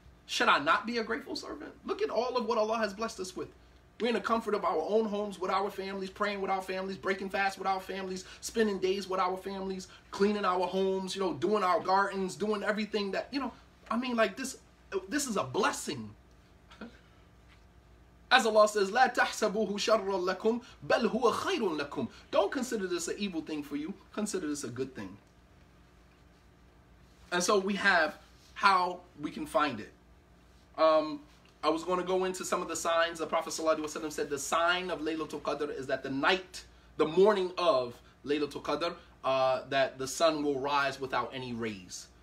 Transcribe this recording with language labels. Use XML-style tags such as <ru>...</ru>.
<en>Should I not be a grateful servant? Look at all of what Allah has blessed us with. We're in the comfort of our own homes with our families, praying with our families, breaking fast with our families, spending days with our families, cleaning our homes, you know, doing our gardens, doing everything that, you know, I mean, like this is a blessing. As Allah says,</en> <ar>لَا تَحْسَبُهُ شَرًّا لَكُمْ بَلْ هُوَ خَيْرٌ لَكُمْ.</ar> <en>Don't consider this an evil thing for you. Consider this a good thing. And so we have how we can find it. I was going to go into some of the signs. The Prophet ﷺ said the sign of Laylatul Qadr is that the night, the morning of Laylatul Qadr, that the sun will rise without any rays.</en>